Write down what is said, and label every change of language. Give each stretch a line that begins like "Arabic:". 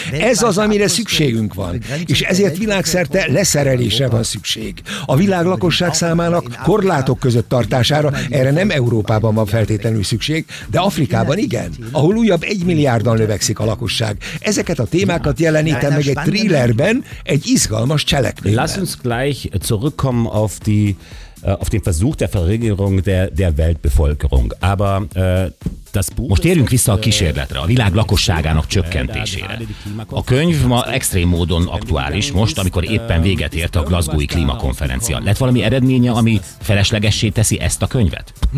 Hungarian: Ez az, amire szükségünk van. És ezért világszerte leszerelésre van szükség. A világ lakosság számának korlátok között tartás. Erre nem Európában van feltétlenül szükség, de Afrikában igen, ahol újabb 1 milliárdan növekszik a lakosság. Ezeket a témákat jelenítem meg egy thrillerben, egy izgalmas cselekményben.
German: Lass uns gleich zurückkommen auf den Versuch der Verringerung der Weltbevölkerung. Aber
Hungarian: most érjünk vissza a kísérletre, a világ lakosságának csökkentésére. A könyv ma extrém módon aktuális, most, amikor éppen véget ért a glasgowi klímakonferencia. Lett valami eredménye, ami feleslegessé teszi ezt a könyvet?